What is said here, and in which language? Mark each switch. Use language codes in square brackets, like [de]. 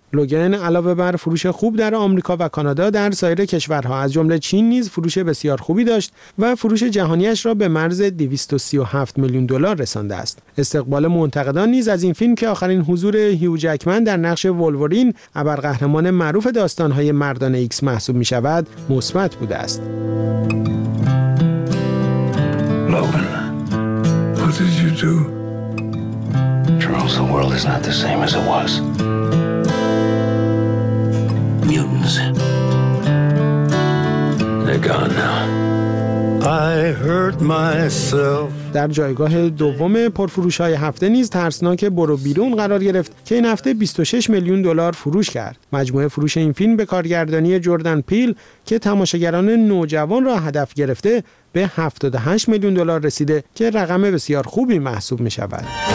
[fa] لوگن علاوه بر فروش خوب در آمریکا و کانادا در سایر کشورها از جمله چین نیز فروش بسیار خوبی داشت و فروش جهانیش را به مرز 237 میلیون دلار رسانده است. استقبال منتقدان نیز از این فیلم که آخرین حضور هیو جکمن در نقش وولورین ابرقهرمان معروف داستان‌های مردان ایکس محسوب می شود مثبت بوده است. [en] Logan What did you do? Charles, the world is not the same as it was. Mutants. They're gone now. I hurt myself. [fa] در جایگاه دوم پرفروش‌های هفته نیز ترسناک برو بیرون قرار گرفت که این هفته 26 میلیون دلار فروش کرد. مجموعه فروش این فیلم به کارگردانی جردن پیل که تماشاگران نوجوان را هدف گرفته به 78 میلیون دلار رسیده که رقم بسیار خوبی محسوب می‌شود.